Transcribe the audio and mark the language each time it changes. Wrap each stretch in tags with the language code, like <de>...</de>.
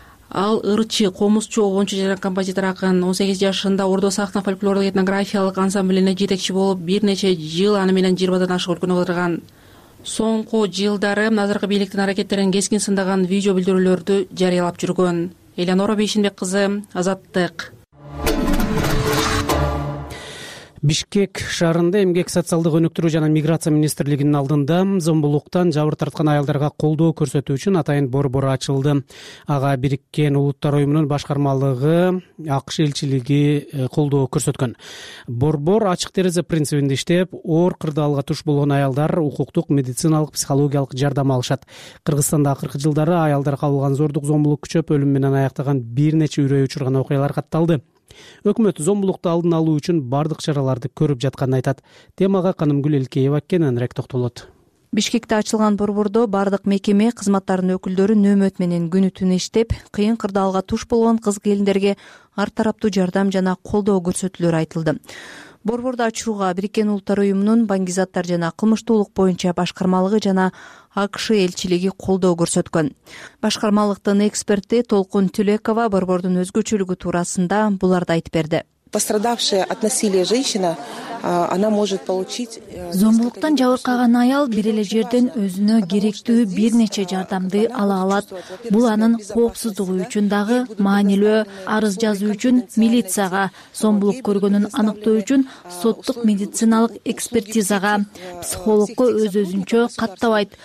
<ky>Ал ырчы, комузчу, обончу жана композитор акын. 18 жашында Ордо сахна фольклордук этнографиялык ансамблине жетекчи болуп, бир нече жыл аны менен 20 ашык өлкөнү кыдырган. Соңку жылдары азыркы бийликтин аракеттерин кескин сындаган видео билдирүүлөрдү жарыялап жүргөн. Элеонора Бейшенбек кызы, Азаттык. Бишкек шаарында эмгек социалдык өнүктүрүү жана миграция министрлигинин алдында зомбулуктан жабыр тарткан аялдарга колдоо көрсөтүү үчүн атайын борбор ачылды. Ага Бириккен улуттар уюмунун башкармалыгы, АКШ элчилиги колдоо көрсөткөн. Борбор ачык терезе принцибинде иштеп, оор кырдаалга туш болгон аялдар укуктук, медициналык, психологиялык жардам алышат. Кыргызстанда акыркы жылдары аялдар кабылган зордук зомбулук күчөп, өлүм менен аяктаган бир нече үрөй учурган окуялар катталды. Өкмөт зомбулукту алдын алуу үчүн бардык чараларды көрүп жатканын айтат. Темага Канымгүл Элкеева кененирээк токтолот. Бишкекте ачылган борбордо бардык мекеме кызматтарынын өкүлдөрү нөөмөт менен күнү түнү иштеп, кыйын кырдаалга туш болгон кыз келиндерге ар тараптуу жардам жана колдоо көрсөтүүлөр айтылды. Борборду ачууга Бириккен Улуттар Уюмунун баңгизаттар жана кылмыштуулук боюнча башкармалыгы жана АКШ элчилиги колдоо көрсөткөн. Башкармалыктын эксперти Толкун Түлекова борбордун өзгөчөлүгү туурасында буларды айтып берди.</ky> <ru>Пострадавшая от насилия женщина, она может получить...</ru> <ky>Зомбулуктан жабыркаган аял бир эле жерден өзүнө керектүү бир нече жардамды ала алат. Бул анын коопсуздугу үчүн дагы маанилүү. Арыз жазуу үчүн милицияга, зомбулук көргөнүн аныктоо үчүн соттук медициналык экспертизага, психологко өз-өзүнчө каттабайт.</ky>